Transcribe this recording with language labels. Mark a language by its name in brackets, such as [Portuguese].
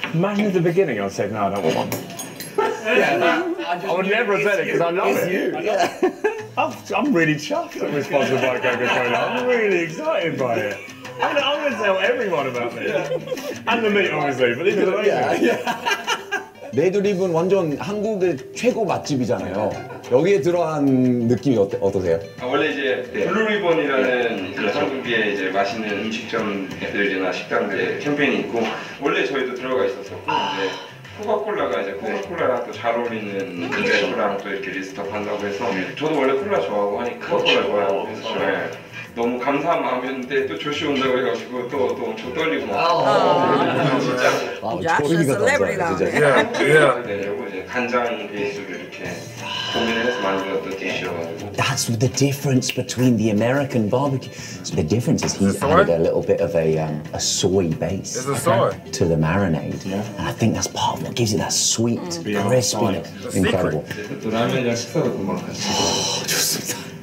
[English] Imagine at the beginning I said, no, I don't want one. Yeah, I would never have said it because I love it's it. You. Yeah. I'm really chuffed that we're sponsored by Coca-Cola. I'm really excited by it. I'm going to tell everyone about this. Yeah. And the meat, obviously, but these are amazing. Yeah. Yeah. [Korean] 레드립은 완전 한국의 최고 맛집이잖아요. 여기에 들어간 느낌이 어떠세요? 원래 이제 블루리본이라는 그 한국의 이제 맛있는 음식점들이나 식당들의 캠페인이 있고 원래 저희도 들어가 있어서 코카콜라가 이제 코카콜라랑 또 잘 어울리는 맥주랑 또 이렇게 리스트업 한다고 해서 저도 원래 콜라 좋아하고 하니까 코카콜라 좋아하고 해서 네. 너무 감사한 마음이었는데 또 조슈 온다고 해가지고 또 엄청 떨리고 막 진짜 조슈가 감사해요 진짜 그리고 이제 간장 베이스로 이렇게 [English] That's the difference between the American barbecue. So the difference is he's added a little bit of a soy base to the marinade. Yeah. And I think that's part of what gives it that sweet, crispiness. Incredible.